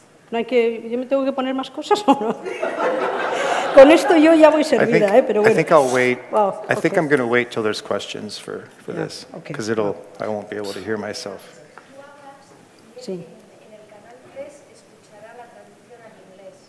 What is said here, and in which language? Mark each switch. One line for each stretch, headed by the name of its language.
Spanish: No hay que, yo me tengo que poner más cosas o no. Con esto yo ya voy servida,
English: think,
Spanish: pero bueno.
English: I think I'll wait. Wow, okay. I think I'm going to wait till there's questions for yeah, this because okay. it'll I won't be able to hear myself.
Spanish: Sí. En el canal 3 escuchará la traducción al inglés.